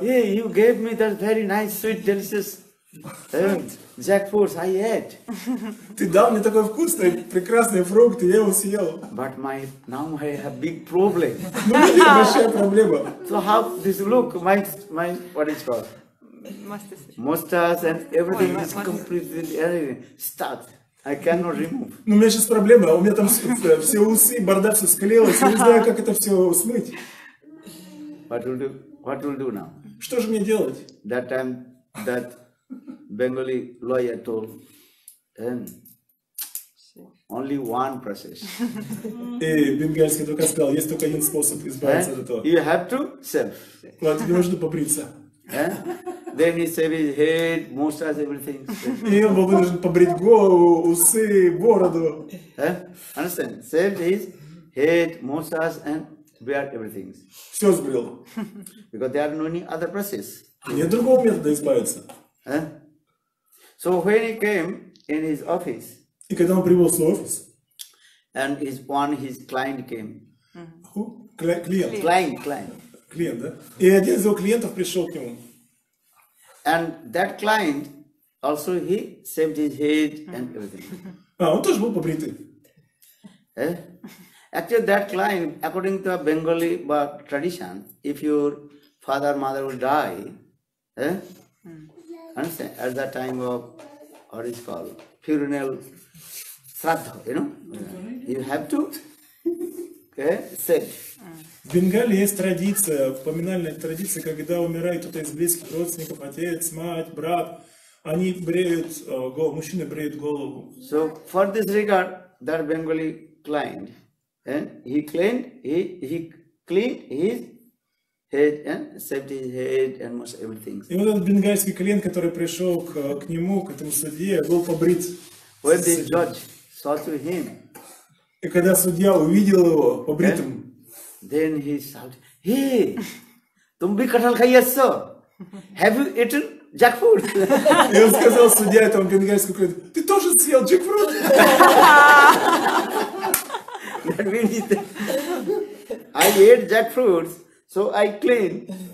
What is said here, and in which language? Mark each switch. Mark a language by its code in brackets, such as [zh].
[en] Yeah, you gave me that very nice, sweet, delicious Jack Force, I ate. [ru] Ты дал мне такой вкусный, прекрасный фрукт, и я его съел. [en] But my now I have big problem. [ru] Ну, у меня большая проблема. [en] So how this look, my what is called? Mustache and everything is completely everything. Start. I cannot remove. [ru] Ну, у меня сейчас проблема, у меня там все усы, борода все склеилась, я не знаю, как это все смыть. [en] What will do now? [ru] Что же мне делать? [en] That time that Bengali lawyer told, only one process. [ru] И бенгальский только сказал, есть только один способ избавиться от этого. [en] You have to self. [ru] Вот, тебе нужно побриться. [en] Then he shaved his head, mustache, everything. [ru] И он был должен побрить голову, усы, бороду. [en] Understand? Shaved his head, mustache, and beard, everything. [ru] Все сбрил. [en] Because there are no other process. [ru] Нет другого метода избавиться. [en] So when he came in his office, [ru] и когда он прибыл в свой офис, [en] and his client came. Who? [ru] Клиент. [en] Client. [ru] Клиент, да? И один из его клиентов пришел к нему. [en] And that client also he shaved his head and everything. [ru] А он тоже был побритый. [en] Actually, that client, according to a Bengali tradition, if your father, mother will die, understand? At that time of what is called funeral shraddha, you know, you have to shave. [ru] В Бенгалии есть традиция, поминальная традиция, когда умирает кто-то из близких родственников, отец, мать, брат, они бреют голову, мужчины бреют голову. [en] So for this regard, that Bengali client, he cleaned his head and saved his head and most everything. [ru] И вот этот бенгальский клиент, который пришел к нему, к этому судье, был побрит. [en] When the judge saw to him. [ru] И когда судья увидел его побритым. [en] Then he shouted, "Hey, [hi] तुम भी कटहल खाई है sir? [en] Have you eaten jackfruit?" [ru] И он сказал судья этому бенгальскому клиенту, "Ты тоже съел jackfruit?" [en] That means I ate jackfruit, so I clean.